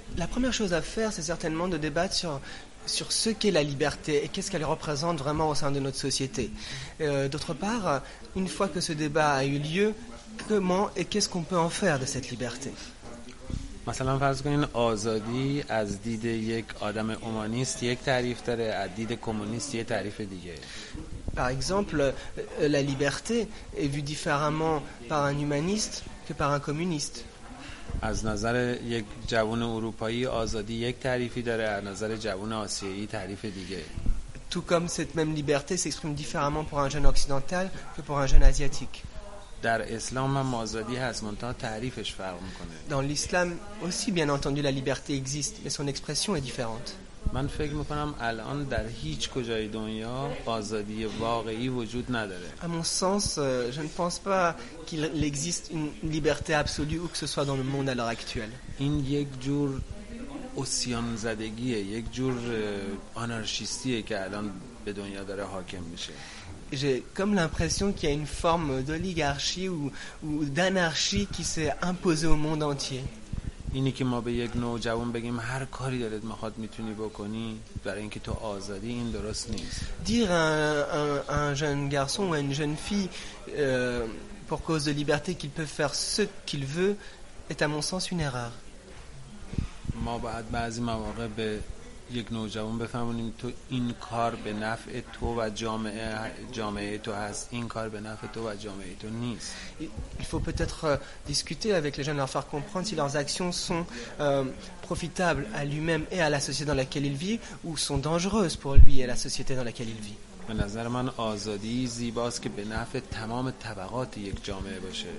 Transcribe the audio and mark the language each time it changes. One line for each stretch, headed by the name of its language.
French: La première chose à faire c'est certainement de débattre sur ce qu'est la liberté et qu'est-ce qu'elle représente vraiment au sein de notre société. D'autre part, une fois que ce débat a eu lieu, comment et qu'est-ce qu'on peut en faire de cette liberté?
Persian: مثلا فرض کنین آزادی از دید یک آدم اومانیست یک تعریف داره، از دید کمونیست یک تعریف دیگه.
French: Par exemple, la liberté est vue différemment par un humaniste que par un communiste.
Persian: از نظر یک جوان اروپایی آزادی یک تعریفی داره، از نظر جوان آسیایی تعریف دیگه.
French: Tout comme cette même liberté s'exprime différemment pour un jeune occidental que pour un jeune asiatique.
Persian: در اسلام هم آزادی هست، منتها تعریفش فرق میکنه.
French: Dans l'islam aussi bien entendu la liberté existe mais son expression est différente.
Persian: من فکر میکنم الان در هیچ کجای دنیا آزادی واقعی وجود نداره.
French: À mon sens, je ne pense pas qu'il existe une liberté absolue où que ce soit dans le monde à l'heure actuelle.
Persian: این یک جور اوسیان زدگیه، یک جور آنارشیستیه که الان به دنیا داره حاکم میشه.
French: J'ai comme l'impression qu'il y a une forme d'oligarchie ou d'anarchie qui s'est imposée au monde entier.
Persian: اینی که ما به یک نوجوان بگیم هر کاری دلت میخواد میتونی بکنی برای اینکه تو آزادی، این درست نیست.
French: Dire un jeune garçon ou une jeune fille pour cause de liberté qu'il peut faire ce qu'il veut est à mon sens une erreur.
Persian: ما باید بعضی مواقع به یک نوجوان بفهمونیم تو این کار به نفع تو و جامعه تو هست، این کار به نفع تو و جامعه تو نیست.
French: Il faut peut-être discuter avec les jeunes, leur faire comprendre si leurs actions sont profitables à lui-même et à la société dans laquelle il vit ou sont dangereuses pour lui et la société dans laquelle il vit.
Persian: به نظر من آزادی زیباست که به نفع تمام طبقات یک جامعه باشه.